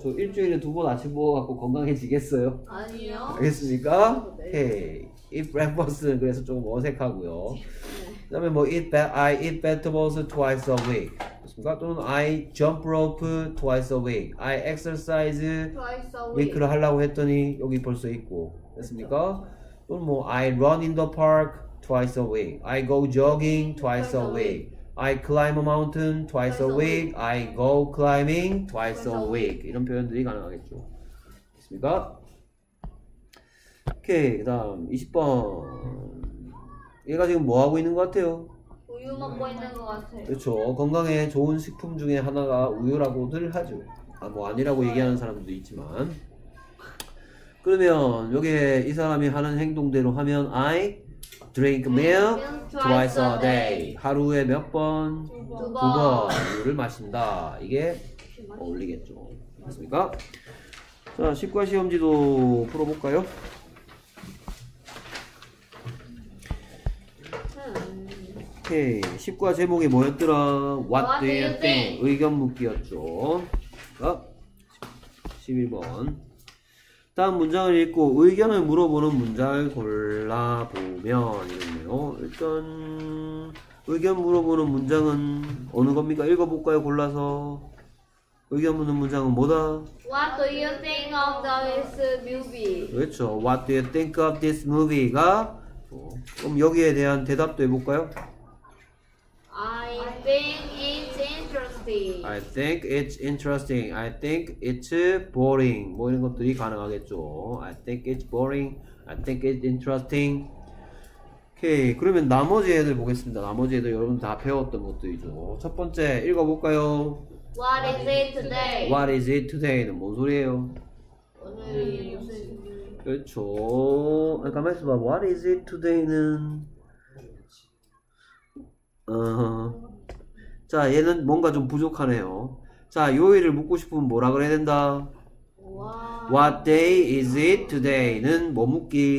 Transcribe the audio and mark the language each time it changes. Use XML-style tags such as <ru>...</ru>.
<ko>저 일주일에 두 번 아침 먹어갖고 건강해지겠어요? 아니요. 알겠습니까?</ko> <en>Hey, eat breakfast</en> <ko>는 그래서 좀 어색하고요. 그 다음에 뭐</ko> <en>I eat vegetables twice a week</en> <ko>그렇습니까?</ko> <en>또는 I jump rope twice a week I exercise twice a week</en> <ko>위크를 하려고 했더니 여기 벌써 있고 됐습니까? 그렇죠. 또는 뭐</ko> <en>I run in the park twice a week I go jogging twice a week I climb a mountain twice a week I go climbing twice a week</en> <ko>이런 표현들이 가능하겠죠 됐습니까? 오케이 그 다음 20번 얘가 지금 뭐 하고 있는 것 같아요? 우유 먹고 있는 것 같아요. 그렇죠. 건강에 좋은 식품 중에 하나가 우유라고들 하죠. 아, 뭐 아니라고 얘기하는 사람도 있지만. 그러면 여기 이 사람이 하는 행동대로 하면</ko> <en>I drink milk twice a day.</en> <ko>하루에 몇 번? 두 번 우유를 마신다. 이게 어울리겠죠. 맞습니까? 자, 식과 시험지도 풀어볼까요? 오케이 식과 제목이 뭐였더라?</ko> <en>What do you think?</en> <ko>의견 묻기였죠. 11번 다음 문장을 읽고 의견을 물어보는 문장을 골라보면 이랬네요. 일단 의견 물어보는 문장은 어느 겁니까? 읽어볼까요? 골라서 의견 묻는 문장은 뭐다?</ko> <en>What do you think of this movie?</en> <ko>그렇죠.</ko> <en>What do you think of this movie가</en> <ko>그럼 여기에 대한 대답도 해볼까요?</ko> <en>I think it's interesting. interesting. I think it's interesting. I think it's boring.</en> <ko>뭐 이런 것들이 가능하겠죠.</ko> <en>I think it's boring. I think it's interesting.</en> <ko>오케이. 그러면 나머지 애들 보겠습니다. 나머지 애들 여러분 다 배웠던 것들이죠. 첫 번째 읽어볼까요?</ko> <en>What is it today? What is it today?는</en> <ko>뭔 소리예요? 오늘 그렇죠. 가만히 있어봐.</ko> <en>What is it today?</en> <ko>는 자, 얘는 뭔가 좀 부족하네요. 자, 요일을 묻고 싶으면 뭐라 그래야 된다?</ko> <en>What day is it today?는</en> <ko>뭐 묻기?</ko>